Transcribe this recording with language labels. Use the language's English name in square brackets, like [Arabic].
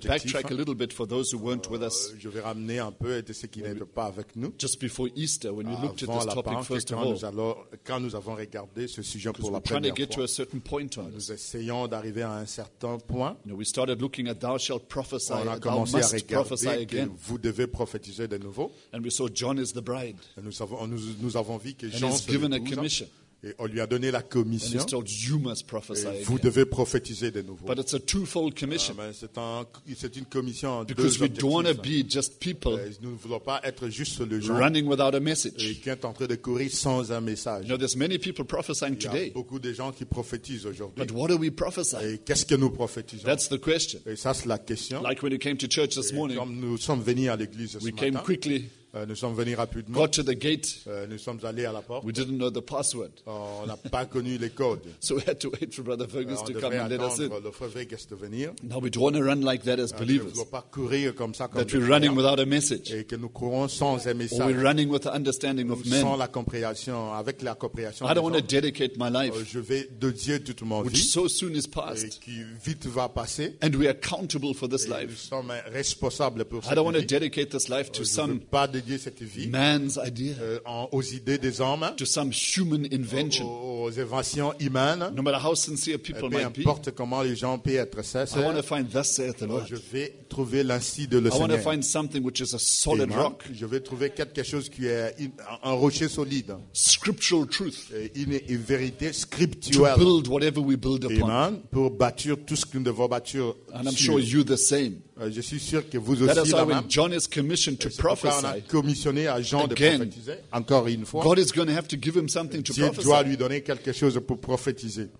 [English] I just want to backtrack a little bit for those who weren't with us. [French] Je vais ramener un peu de ceux qui n'étaient pas avec nous. [English] Just before Easter, when we looked at this topic first of all. [French] Quand nous avons regardé ce sujet pour la première fois. [English] Trying to get to a certain point on. [French] Nous essayons d'arriver à un certain point. [English] You know, we started looking at thou shalt prophesy. [French] On a commencé [English] thou [French] à regarder que vous devez prophétiser de nouveau. [English] And we saw John is the bride. [French] Et nous savons. Nous avons vu que Jean [English] given a commission. [French] Et on lui a donné la commission. [English] And he's told, you must prophesy [French] et vous devez prophétiser de nouveau. [English] But it's a twofold commission. [French] C'est une commission en [English] because [French] deux [English] we don't want to be just people. [French] Nous ne voulons pas être juste le genre [English] running without a message. [French] Et qui est en train de courir sans un message. [English] You know, there's many people prophesying today. [French] Il y a beaucoup de gens qui prophétisent aujourd'hui. [English] But what are we prophesying? [French] Et qu'est-ce que nous prophétisons? [English] That's the question. [French] Et ça c'est la question. [English] Like when you came to church this morning. [French] Comme nous sommes venus à l'église ce [English] we [French] matin. [English] Came quickly. [French] Nous sommes venus rapidement. [English] Got to the gate. [French] Nous sommes allés à la porte. [English] We didn't know the password. [French] On n'a pas connu les codes. [English] So we had to wait for Brother Fergus to come and let us in. [French] Le frère Vegas de venir. [English] Now we don't want to run like that as believers. [French] Nous ne voulons pas courir comme ça. [English] That we're running without a message. [French] Et que nous courons sans un message. [English] Or we're running with the understanding of men. [French] Sans la compréhension, avec la compréhension. [English] I don't want to dedicate my life. [French] Je vais dédier toute ma vie. [English] Which so soon is past. [French] Et qui vite va passer. [English] And we are accountable for this life. [French] Nous sommes responsables pour cette [English] vie. I don't want to dedicate this life to some. [French] Cette vie, [English] man's idea, [French] aux idées des hommes, [English] to some human invention, [French] aux inventions humaines, [English] no matter how sincere people might [French] be, peu importe comment les gens peuvent être sincères, [English] I want to find thus saith the Lord. [French] Je vais trouver l'ainsi de le Seigneur. [English] I want to find something which is a solid rock. [French] Je vais trouver quelque chose qui est un rocher solide. [English] Scriptural truth. [French] Une vérité scripturale. [English] To build whatever we build upon. Amen. [French] Pour bâtir tout ce que nous devons bâtir. [English] And I'm sure you the same. [French] Je suis sûr que vous aussi, [English] that is why John is commissioned to prophesy. [French] On a commissionné à Jean [English] again, [French] de prophétiser. Encore une fois, [English] God is going to have to give him something to prophesy. [French] Dieu doit lui donner quelque chose pour prophétiser.